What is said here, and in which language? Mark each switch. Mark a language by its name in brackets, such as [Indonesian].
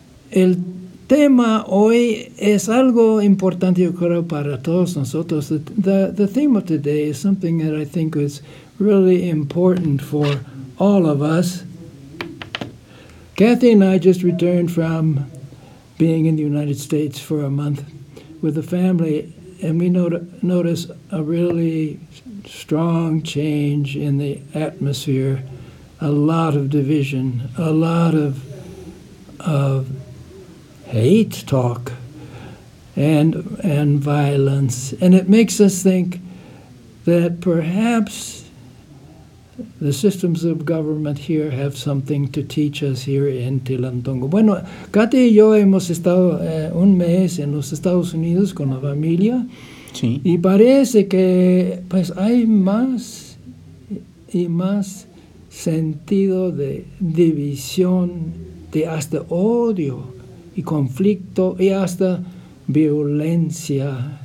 [Spanish] El tema hoy es algo importante, yo creo, para todos nosotros. [English] The theme of today is something that I think is really important for all of us. Kathy and I just returned from being in the United States for a month with the family, and we notice a really strong change in the atmosphere, a lot of division, a lot of hate talk and violence. And it makes us think that perhaps the systems of government here have something to teach us here in Tilantongo. [Spanish] Bueno, Katy y yo hemos estado un mes en los Estados Unidos con la familia. Sí. Y parece que pues hay más y más sentido de división, de hasta odio y conflicto y hasta violencia.